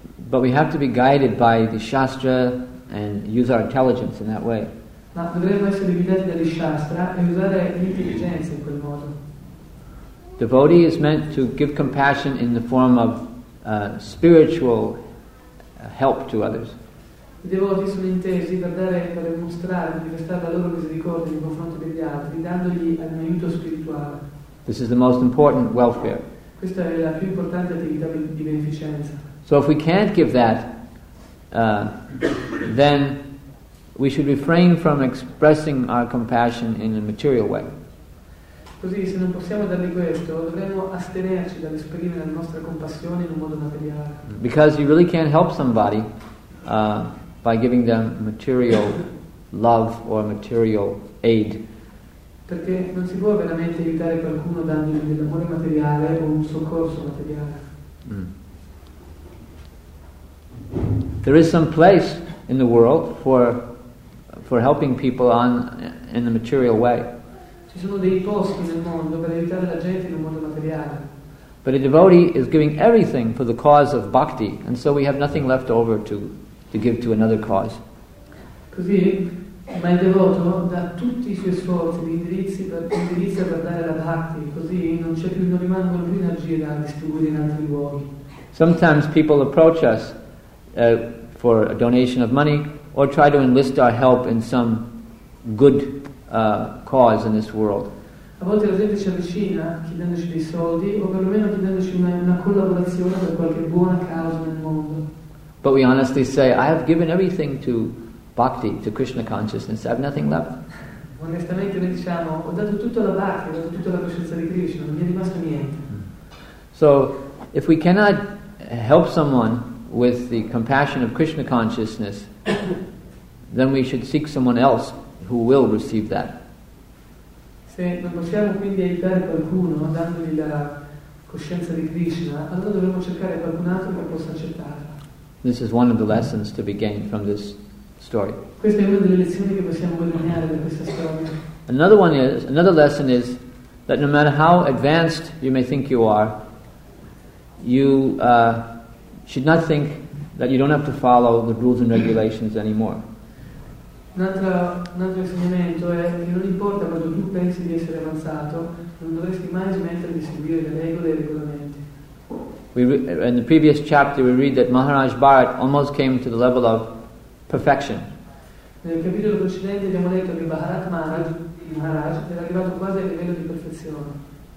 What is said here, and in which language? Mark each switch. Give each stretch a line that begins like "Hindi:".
English: But we have to be guided by the Shastra and use our intelligence in that way.
Italian: Ma dovremmo essere guidati dalle Shastra e usare l'intelligenza in quel modo.
English: Devotee is meant to give compassion in the form of spiritual help to others.
Italian: I devoti sono intesi per dare, per mostrare, manifestare la loro misericordia in confronto degli altri, dandogli un aiuto spirituale.
English: This is the most important welfare.
Italian: Questa è la più importante attività di beneficenza.
English: So if we can't give that, then we should refrain from expressing our compassion in a material way.
Italian: Così, se non possiamo dargli questo, dovremmo astenerci dall'esprimere la nostra compassione in un modo materiale.
English: Because you really can't help somebody by giving them material love or material aid.
Italian: Perché non si può veramente aiutare qualcuno dandogli dell'amore materiale o un soccorso materiale.
English: There is some place in the world for helping people on in a material way.
Italian: Ci sono dei posti nel mondo per aiutare la gente in un modo materiale.
English: But a devotee is giving everything for the cause of bhakti, and so we have nothing left over to give to another cause.
Italian: Così. Ma il devoto dà tutti i suoi sforzi, indirizza per dare la bhakti, così non rimangono più energie da distribuire in altri luoghi.
English: Sometimes people approach us for a donation of money or try to enlist our help in some good cause in this world.
Italian: A volte la gente ci avvicina chiedendoci dei soldi o perlomeno chiedendoci una collaborazione per qualche buona causa nel mondo.
English: But we honestly say, I have given everything to bhakti, to Krishna consciousness, I have nothing left.
Italian: Onestamente noi diciamo, ho dato tutto alla bhakti, ho dato tutto alla coscienza di Krishna, non mi è rimasto niente.
English: So, if we cannot help someone with the compassion of Krishna consciousness, then we should seek someone else who will receive that.
Italian: Se non possiamo quindi aiutare qualcuno dandogli la coscienza di Krishna, allora dovremmo cercare qualcun altro che possa accettarla.
English: This is one of the lessons to be gained from this story.
Italian: Questa è una delle lezioni che possiamo guadagnare da questa storia.
English: Another lesson is that no matter how advanced you may think you are, you should not think that you don't have to follow the rules and regulations anymore.
Italian: Un altro insegnamento è che non importa quanto tu pensi di essere avanzato, non dovresti mai smettere di seguire le regole e i regolamenti.
English: In the previous chapter, we read that Maharaj Bharat almost came to the level of perfection.
Italian: Nel capitolo precedente abbiamo letto che Bharat Maharaj era arrivato quasi al livello di perfezione.